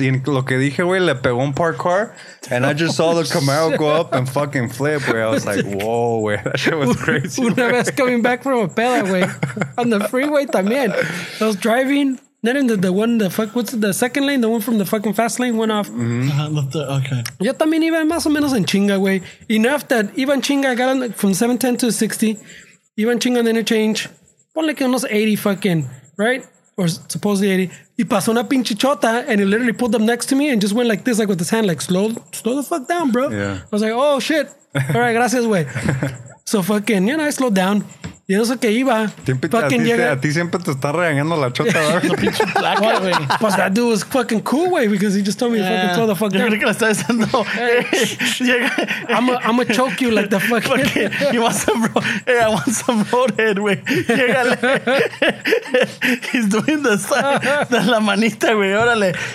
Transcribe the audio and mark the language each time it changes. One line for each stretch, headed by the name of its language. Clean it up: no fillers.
Spanish: Y lo que dije, güey, le pegó un
English: parked car. And I just saw the Camaro go up and fucking flip, güey. I was like, whoa, güey. That shit was crazy.
Spanish: Una vez
English: coming back from a pela, güey. On the freeway también. I was driving. Then in the one, the fuck, what's the second lane? The one from the fucking fast lane went off. Okay.
Spanish: Yo también iba más o menos en chinga, güey.
English: Enough that even chinga, I got on from 710 to 60. Even chinga on the interchange.
Spanish: Ponle que unos 80
English: fucking, right? Or supposedly 80.
Spanish: Y pasó una pinche chota,
English: and he literally pulled up next to me and just went like this, like with his hand, like slow the fuck down, bro. Yeah. I was like, oh shit. All right,
Spanish: gracias, güey.
English: So fucking, you know, I slowed down.
Spanish: Y eso que iba. A ti siempre te está regañando la chota, ¿verdad? Güey.
English: Pues that dude was fucking cool, güey, because he just told me to fucking throw the fuck down.
Spanish: Yo creo que lo está diciendo.
English: I'm gonna choke you like the fucking. You want some bro? Hey, I want some roadhead, güey. Llegale. He's doing the sign.
Spanish: De la manita, güey. Órale.